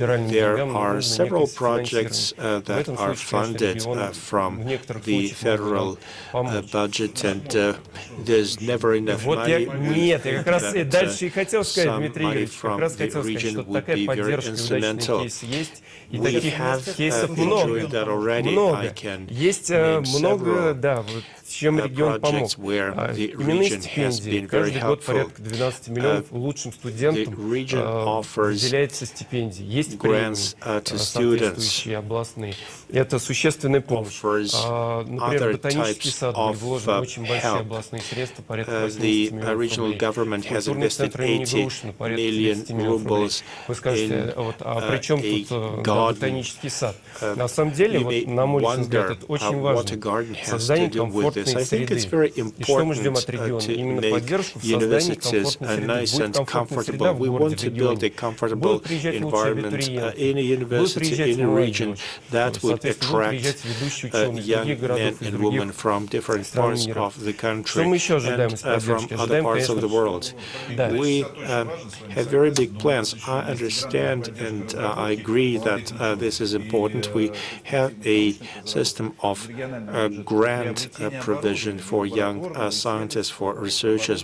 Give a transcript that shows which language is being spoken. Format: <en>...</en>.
<en>There are several projects that are funded from the federal budget, and there's never enough.</en> <ru>Вот я нет, я как раз и дальше и хотел сказать, Дмитрий Юрьевич, как раз хотел сказать, что такая поддержка удачных кейсов есть. И таких кейсов много. Много. Есть много, да, вот чем регион помог. Именно стипендии. Каждый год порядка 12 миллионов лучшим студентам выделяется стипендии. Есть премии, соответствующие областные. Это существенная помощь. Например, ботанические сады вложены в очень большие областные средства, порядка 80 миллионов рублей. Культурный центр имени Грушина, порядка 20 миллионов рублей. Вы скажете, вот, а при чем тут ботанический сад? На самом деле, вот, на мой взгляд, это очень важно. Создание комфортной среды. И что мы ждем от региона? Именно поддержку в создании комфортной среды. Будет комфортная среда в городе, в регионе. Будут приезжать лучшие абитуриенты. Будут приезжать молодежь.</ru> <en>Attract young men and women from different parts of the country and from other parts of the world. We have very big plans. I understand and I agree that this is important. We have a system of grant provision for young scientists, for researchers.</en>